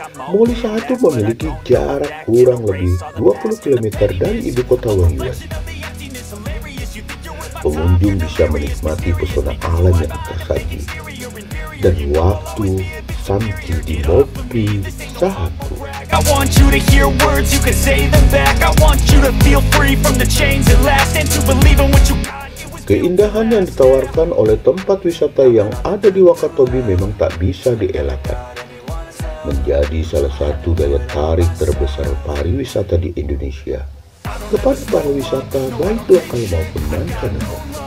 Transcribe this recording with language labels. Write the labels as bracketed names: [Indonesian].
[Indonesian] Moli Sahatu memiliki jarak kurang lebih 20 km dari ibu kota Wangi-Wangi. Pengunjung bisa menikmati pesona alam yang tersaji dan waktu santai di Moli Sahatu. [English] I want you to hear words, you can say them back. I want you to feel free from the chains at last and to believe in what you got. [Indonesian] Keindahan yang ditawarkan oleh tempat wisata yang ada di Wakatobi memang tak bisa dielakkan. Menjadi salah satu daya tarik terbesar pariwisata di Indonesia kepada pariwisata baik lokal maupun mancanegara.